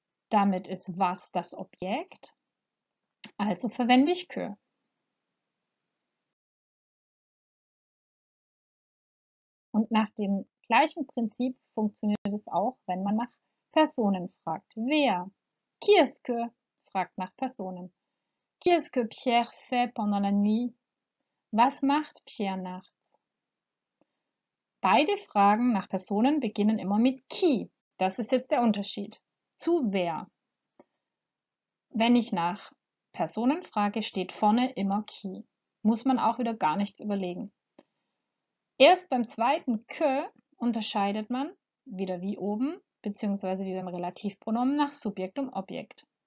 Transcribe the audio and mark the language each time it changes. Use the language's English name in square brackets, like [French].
[German] Damit ist was das Objekt. Also verwende ich que. Und nach dem gleichen Prinzip funktioniert es auch, wenn man nach Personen fragt. Wer? [French] Qui est-ce que? [German] Fragt nach Personen. [French] Qui est-ce que Pierre fait pendant la nuit? [German] Was macht Pierre nachts? Beide Fragen nach Personen beginnen immer mit qui. Das ist jetzt der Unterschied. Zu wer? Wenn ich nach Personen frage, steht vorne immer qui. Muss man auch wieder gar nichts überlegen. Erst beim zweiten que unterscheidet man, wieder wie oben, beziehungsweise wie beim Relativpronomen, nach Subjekt und Objekt.